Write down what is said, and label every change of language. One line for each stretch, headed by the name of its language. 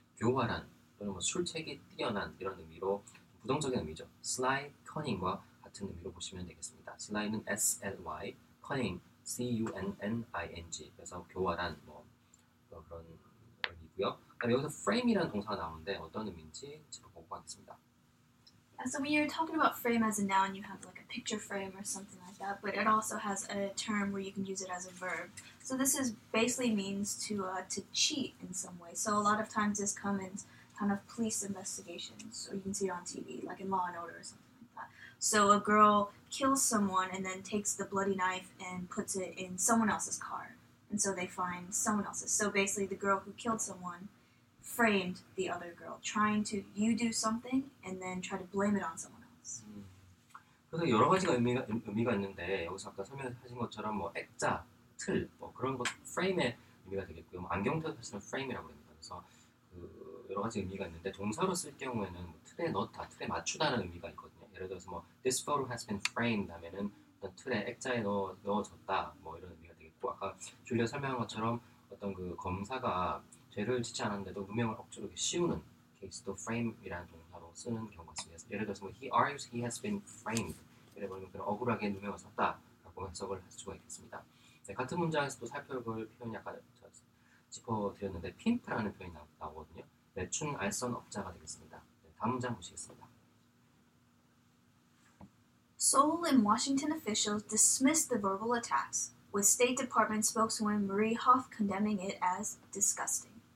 Korean: 교활한 또는 뭐 술책이 뛰어난 이런 의미로 부정적인 의미죠. sly, cunning과 같은 의미로 보시면 되겠습니다. sly는 sly, cunning, c-u-n-n-i-n-g 그래서 교활한 뭐 그런 의미고요. 그럼 여기서 frame이라는 동사가 나오는데 어떤 의미인지 짚어보고 가겠습니다.
English: Yeah, so when you're talking about frame as a noun, you have like a picture frame or something like that, but it also has a term where you can use it as a verb. So this is basically means to cheat in some way. So a lot of times this comes in kind of police investigations, or you can see it on TV, like in Law and Order or something like that. So a girl kills someone and then takes the bloody knife and puts it in someone else's car. And so they find someone else's. So basically the girl who killed someone framed the other girl, trying to you do something and then try to blame it on someone else.
Korean: 그래서 여러 가지가 의미가 있는데 여기서 아까 설명하신 것처럼 뭐 액자, 틀, 뭐 그런 것 frame의 의미가 되겠고요. 뭐 안경테도 쓰는 frame이라고 합니다. 그래서 그 여러 가지 의미가 있는데 동사로 쓸 경우에는 뭐 틀에 넣다, 틀에 맞추다는 의미가 있거든요. 예를 들어서 뭐
English: this photo has been framed
Korean: 하면은 어떤 틀에 액자에 넣어졌다, 뭐 이런 의미가 되겠고 아까 줄리아 설명한 것처럼 어떤 그 검사가 죄를 짓지 않았는데도 무명을 억지로 씌우는 케이스도 frame이라는 동사로 쓰는 경우가 있습니다. 예를 들어서 뭐
English: he argues he has been framed
Korean: 이래버리면 그런 억울하게 누명을 썼다 라고 해석을 할 수가 있겠습니다. 네, 같은 문장에서도 살펴볼 표현 약간 짚어드렸는데 pimp라는 표현이 나오거든요. 매춘 알선업자가 되겠습니다. 네, 다음 문장 보시겠습니다.
English: Seoul and Washington officials dismissed the verbal attacks. With State Department spokeswoman Marie Hoff condemning it as disgusting.